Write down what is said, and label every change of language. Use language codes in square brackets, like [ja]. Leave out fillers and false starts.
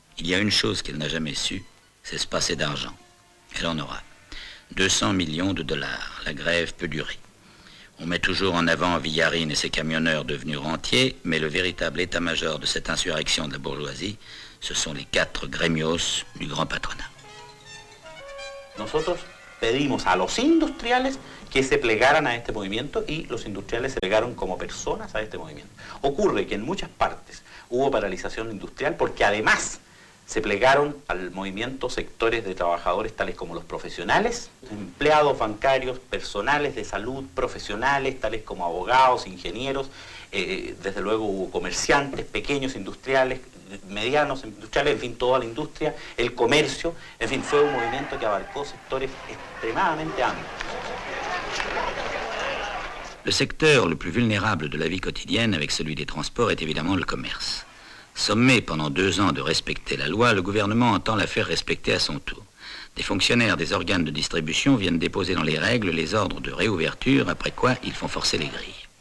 [fr] Il y a une chose qu'elle n'a jamais su, c'est se passer d'argent. Elle en aura. 200 millions de dollars, la grève peut durer. On met toujours en avant Villarine et ses camionneurs devenus rentiers, mais le véritable état-major de cette insurrection de la bourgeoisie, Ce sont les quatre gremios du grand patronat. [es] Nosotros pedimos a los industriales que se plegaran a este movimiento y los industriales se plegaron como personas a este movimiento. Ocurre que en muchas partes hubo paralización industrial porque además se plegaron al movimiento sectores de trabajadores tales como los profesionales, empleados bancarios, personales de salud, profesionales tales como abogados, ingenieros, desde luego hubo comerciantes, pequeños industriales, medianos industriales, en fin, toda la industria, el comercio, en fin, fue un movimiento que abarcó sectores extremadamente amplios. [fr] Le secteur le plus vulnérable de la vie quotidienne avec celui des transports est évidemment le commerce. Sommé pendant deux ans de respecter la loi, le gouvernement entend la faire respecter à son tour. Des fonctionnaires des organes de distribution viennent déposer dans les règles les ordres de réouverture, après quoi ils font forcer les grilles.